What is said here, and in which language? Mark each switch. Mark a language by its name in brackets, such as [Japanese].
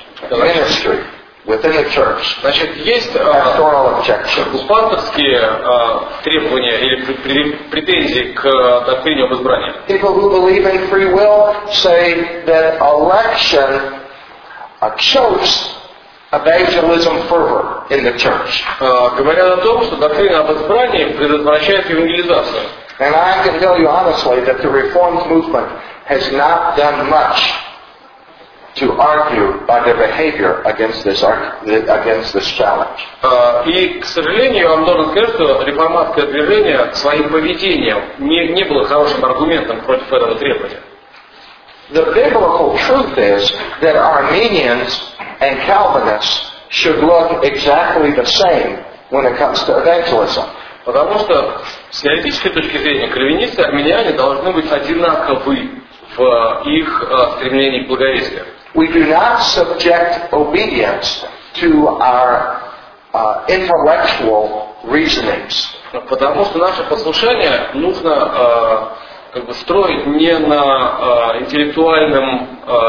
[English] ministry within the church. [Russian] Значит, есть [English] pastoral objections. [Russian] Пасторские требования или претензии к доктрине об избрании. [English] People who believe in free will say that election chokes evangelism fervor in the church. [Russian] Говорят о том, что доктрина об избрании предотвращает евангелизацию. [English] And I can tell you honestly that the Reformed movement has not done much to argue by their behavior against this challenge. [Russian] И, к сожалению, я вам должен сказать, что реформатское движение своим поведением не было хорошим аргументом против этого требования. [English] The biblical truth is that Arminians and Calvinists should look exactly the same when it comes to evangelism. [Russian] Потому что с теоретической точки зрения кальвинисты и арминиане должны быть одинаковы в их стремлении к благовестию. [English] We do not subject obedience to our intellectual reasonings. [Russian] Потому что наше послушание нужно как бы строить не на интеллектуальном